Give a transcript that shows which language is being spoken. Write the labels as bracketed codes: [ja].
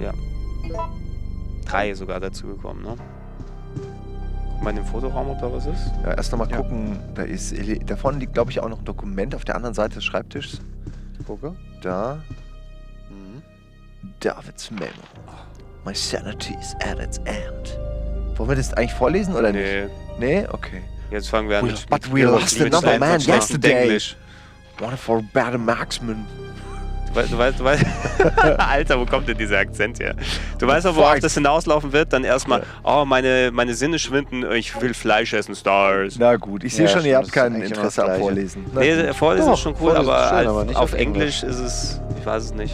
[de] Ja. Drei sogar dazu gekommen, ne? Mal in den Fotoraum, ob da was ist. Ja, erst nochmal gucken. Da ist. Da vorne liegt, glaube ich, auch noch ein Dokument auf der anderen Seite des Schreibtisches. Gucke. Da. Mhm. David's Memo. [en] My sanity is at its end. [de] Wollen wir das eigentlich vorlesen oder nee. Nicht? Nee. Okay. Jetzt fangen wir an. [en] But we lost another man yesterday. One for better marksman. [de] Du weißt, Alter, wo kommt denn dieser Akzent her? Du weißt auch, worauf das hinauslaufen wird? Dann erstmal, oh, meine Sinne schwinden, ich will Fleisch essen, Stars. Na gut, ich sehe schon, ihr habt kein Interesse am Vorlesen. Nee, Vorlesen ist schon cool, aber, schön, aber nicht auf Englisch ist es, ich weiß es nicht.